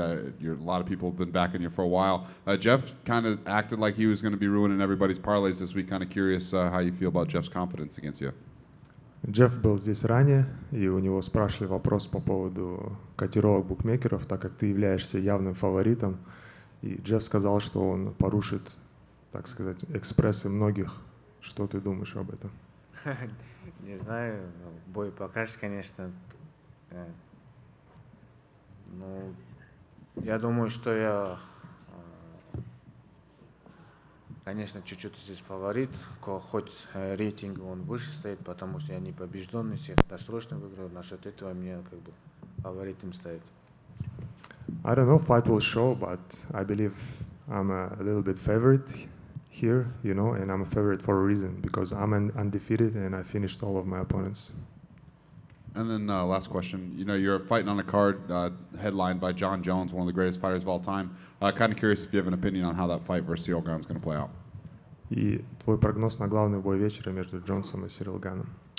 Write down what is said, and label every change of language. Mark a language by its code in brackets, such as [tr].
[en] A lot of people have been backing you for a while. Geoff kind of acted like he was going to be ruining everybody's parlays this week. Kind of curious how you feel about Geoff's confidence against you. [ru] Джефф был здесь ранее, и у него спрашивали вопрос по поводу котировок букмекеров, так как ты являешься явным фаворитом. И Джефф сказал, что он порушит, так сказать, экспрессы многих. Что ты думаешь об этом? Не знаю, бой покажешь, конечно. Ну, я думаю, что я, конечно, чуть-чуть здесь фаворит, хоть рейтинг он выше стоит, потому что я не побежден, если я досрочно выиграю, насчет этого мне как бы фаворитом стоит. [en] I don't know, fight will show, but I believe I'm a little bit favorite here, you know, and I'm a favorite for a reason, because I'm undefeated and I finished all of my opponents. And then last question, you know, you're fighting on a card headlined by John Jones, one of the greatest fighters of all time. Kind of curious if you have an opinion on how that fight versus Cyril Gane is going to play out. [ru] И твой прогноз на главный бой вечера между Джонсом и Сирил Ганом?